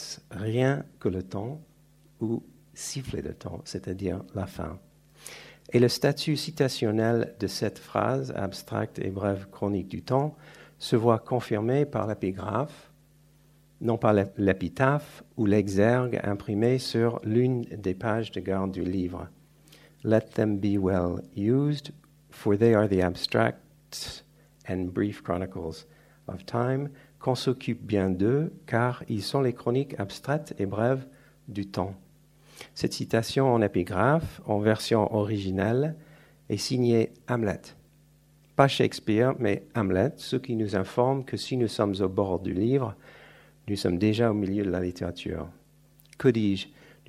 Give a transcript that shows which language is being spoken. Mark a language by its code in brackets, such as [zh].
[fr] Rien que le temps ou siffler le temps, c'est-à-dire la fin. Et le statut citationnel de cette phrase abstracte et brève chronique du temps se voit confirmé par l'épigraphe, non pas l'épitaphe ou l'exergue imprimé sur l'une des pages de garde du livre. [en] Let them be well used, for they are the abstract and brief chronicles of time. [fr] Qu'on s'occupe bien d'eux, car ils sont les chroniques abstraites et brèves du temps. Cette citation en épigraphe, en version originale, est signée Hamlet. Pas Shakespeare, mais Hamlet, ce qui nous informe que si nous sommes au bord du livre, nous sommes déjà au milieu de la littérature. Que dis-je ?